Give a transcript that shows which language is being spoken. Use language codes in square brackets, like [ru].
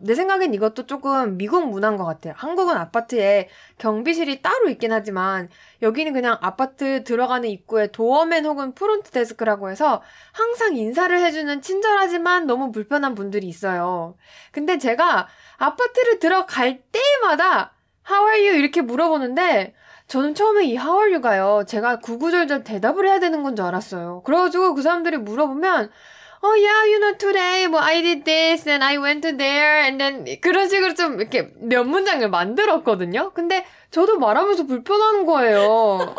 [ko] 내 생각엔 이것도 조금 미국 문화인 것 같아요. 한국은 아파트에 경비실이 따로 있긴 하지만 여기는 그냥 아파트 들어가는 입구에 도어맨 혹은 프론트 데스크라고 해서 항상 인사를 해주는 친절하지만 너무 불편한 분들이 있어요. 근데 제가 아파트를 들어갈 때마다 [en] How are you? [ko] 이렇게 물어보는데 저는 처음에 이 [en] How are you [ko] 가요 제가 구구절절 대답을 해야 되는 건 줄 알았어요. [en] 그래가지고 그 사람들이 물어보면 Oh yeah, you know today, well, I did this and I went to there and then [ko] 그런 식으로 좀 이렇게 몇 문장을 만들었거든요. 근데 저도 말하면서 불편한 거예요.